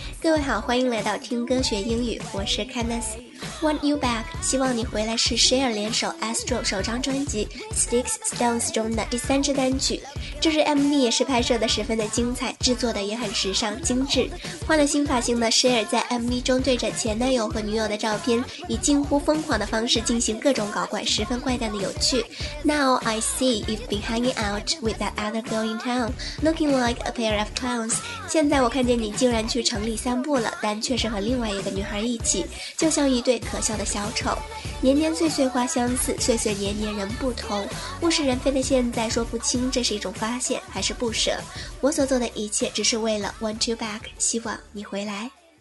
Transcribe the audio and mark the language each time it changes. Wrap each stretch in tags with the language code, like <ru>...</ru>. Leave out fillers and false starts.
<zh>各位好，欢迎来到听歌学英语，我是 Candice。Want you back， 希望你回来是 Cher 联手 Astro 首张专辑 Sticks Stones 中的第三支单曲。这支 MV 也是拍摄的十分的精彩，制作的也很时尚精致。换了新发型的 Cher 在 MV 中对着前男友和女友的照片以近乎疯狂的方式进行各种搞怪，十分怪诞的有趣。</zh> <en>Now I see you've been hanging out with that other girl in town, looking like a pair of clowns.</en> <zh>现在我看见你竟然去城里散步了，但却是和另外一个女孩一起，就像一对可笑的小丑。年年岁岁花相似，岁岁年年人不同，物是人非的现在说不清这是一种发现还是不舍。我所做的一切只是为了</zh> <en>want you back，</en> <zh>希望你回来。</zh>